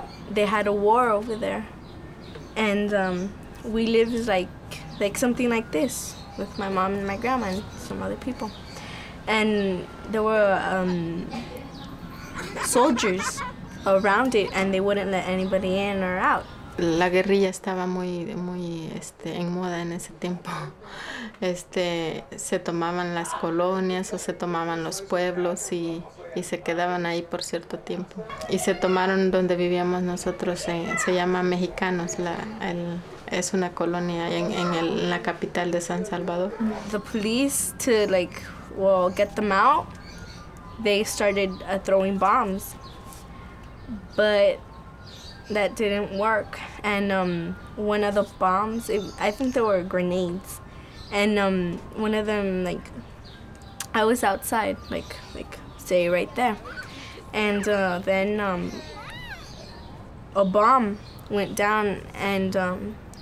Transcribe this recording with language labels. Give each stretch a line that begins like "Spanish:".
English: They had a war over there, and we lived like something like this with my mom and my grandma and some other people. And there were soldiers around it, and they wouldn't let anybody in or out.
Spanish: La guerrilla estaba muy, muy, en moda en ese tiempo. Se tomaban las colonias o se tomaban los pueblos y se quedaban ahí por cierto tiempo. Y se tomaron donde vivíamos nosotros, se llama Mexicanos, es una colonia en la capital de San Salvador.
English: The police get them out, they started throwing bombs, but that didn't work. And one of the bombs, I think there were grenades, and one of them, I was outside, say right there, and then a bomb went down, and